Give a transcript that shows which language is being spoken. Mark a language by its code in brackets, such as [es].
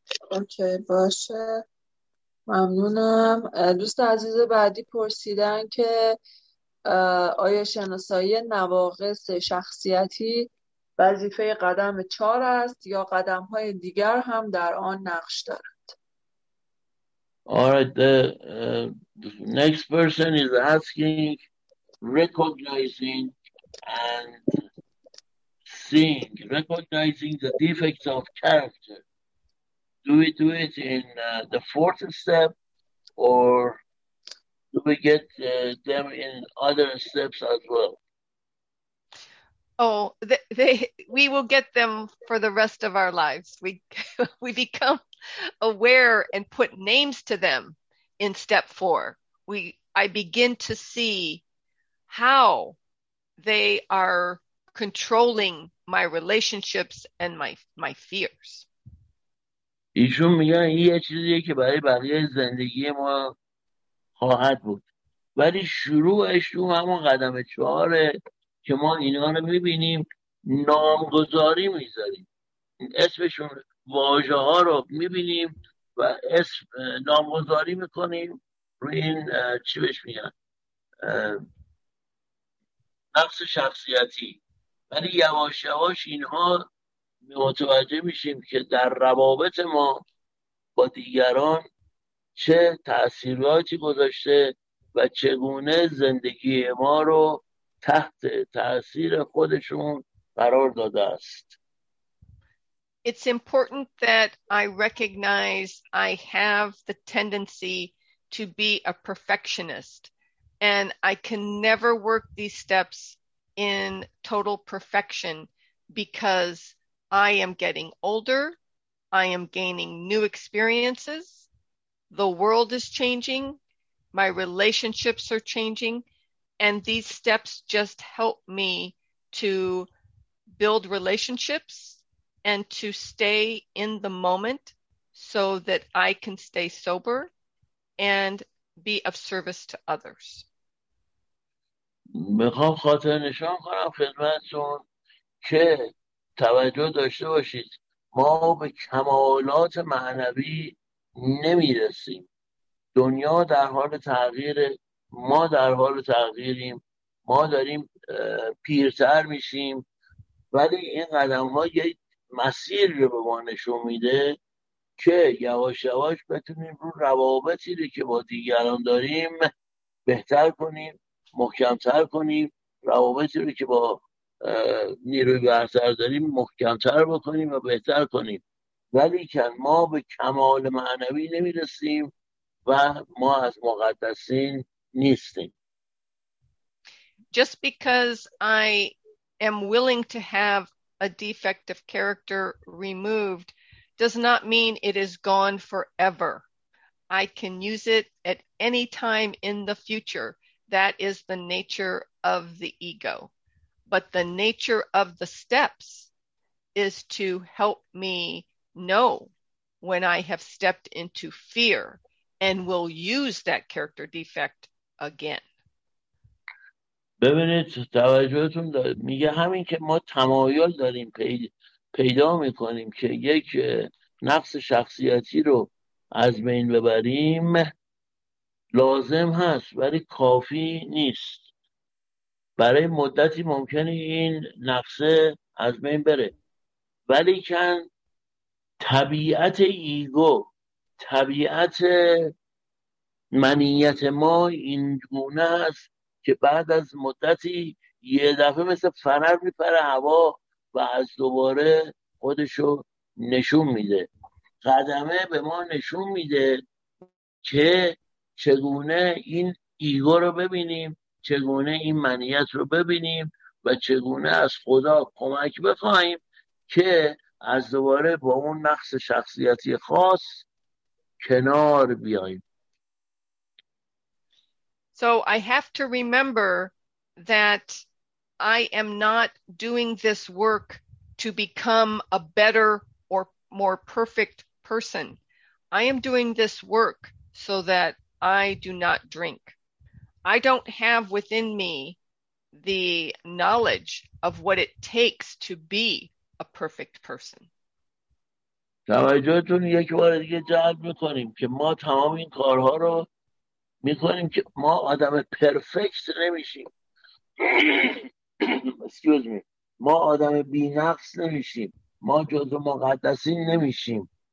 [fa] اوکی باشه. ممنونم. دوست عزیز بعدی پرسیدن که آیا شناسایی نواقص شخصیتی وظیفه قدم 4 است یا قدم های دیگر هم در آن نقش دارد؟ [en] Alright, the next person is asking, recognizing and seeing, recognizing the defects of character. Do we do it in the fourth step, or do we get them in other steps as well? Oh, we will get them for the rest of our lives. We become aware and put names to them in step 4. I begin to see how they are controlling my relationships and my fears. [fa] ایشون میگن یه چیزیه که برای بقیه زندگی ما خواهد بود. ولی شروعش تو همون قدم 4ه که ما اینا رو میبینیم، نامگذاری میذاریم. اسمشون واژه ها رو میبینیم و اسم نامگذاری میکنیم روی این چی بهش میگن نقص شخصیتی. ولی یواش یواش اینها متوجه میشیم که در روابط ما با دیگران چه تأثیراتی گذاشته و چگونه زندگی ما رو تحت تأثیر خودشون قرار داده است. [en] It's important that I recognize I have the tendency to be a perfectionist, and I can never work these steps in total perfection because I am getting older, I am gaining new experiences, the world is changing, my relationships are changing, and these steps just help me to build relationships and to stay in the moment so that I can stay sober and be of service to others. [fa] میخوام خاطر نشان کنم خدمتتون که توجه داشته باشید ما به کمالات معنوی نمیرسیم. دنیا در حال تغییره، ما در حال تغییریم، ما داریم پیرتر میشیم، ولی این قدم ها مسیر رو به ما نشون میده که یواش یواش بتونیم رو روابطی رو که با دیگران داریم بهتر کنیم، محکمتر کنیم، روابطی رو که با نیروی برتر داریم محکمتر بکنیم و بهتر کنیم. ولیکن ما به کمال معنوی نمی رسیم و ما از مقدسین نیستیم. [en] Just because I am willing to have a defective character removed does not mean it is gone forever. I can use it at any time in the future. That is the nature of the ego. But the nature of the steps is to help me know when I have stepped into fear and will use that character defect again. [fa] ببینید توجهتون داره. میگه همین که ما تمایل داریم پیدا میکنیم که یک نقص شخصیتی رو از بین ببریم لازم هست ولی کافی نیست. برای مدتی ممکنه این نقصه از بین بره ولی کن طبیعت ایگو، طبیعت منیت ما این گونه است که بعد از مدتی یه دفعه مثل فنر میپره هوا و از دوباره خودشو نشون میده. قدمه به ما نشون میده که چگونه این ایگو رو ببینیم، چگونه این منیت رو ببینیم و چگونه از خدا کمک بخوایم که از دوباره با اون نقص شخصیتی خاص کنار بیاییم. [en] So I have to remember that I am not doing this work to become a better or more perfect person. I am doing this work so that I do not drink. I don't have within me the knowledge of what it takes to be a perfect person. [fa] توجهتون یک بار دیگه جلب میکنیم که ما تمام این کارها رو میکنیم که ما آدم پرفکت نمیشیم. [en] Excuse me. [fa] ما آدم بی نقص نمیشیم. ما جزء مقدسین نمیشیم.